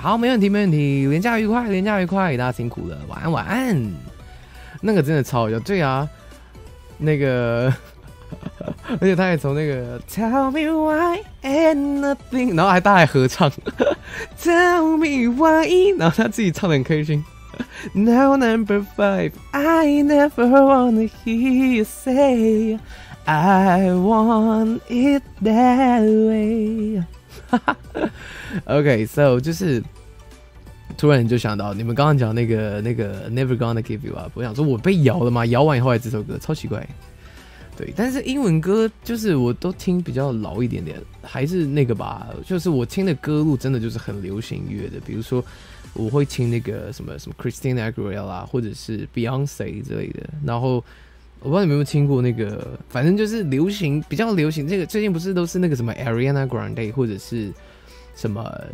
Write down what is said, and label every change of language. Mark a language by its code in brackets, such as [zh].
[zh] 好，没问题，没问题。连假愉快，连假愉快，大家辛苦了，晚安，晚安。那个真的超好笑，对啊，那个，而且他也从那个 Tell me why and nothing， 然后还大还合唱Tell me why， 然后他自己唱得很开心。 [en] Now number five， I never wanna hear you say I want it that way。 [zh] OK， so 就是突然就想到你们刚刚讲那个 Never gonna give you up， 我想说我被摇了吗？摇完以后来这首歌超奇怪。对，但是英文歌就是我都听比较老一点点，还是那个吧，就是我听的歌路真的就是很流行乐的，比如说我会听那个什么 Christina Aguilera 或者是 Beyonce 之类的，然后我不知道你们有没有听过那个，反正就是流行，比较流行，这个最近不是都是那个什么 Ariana Grande 或者是什么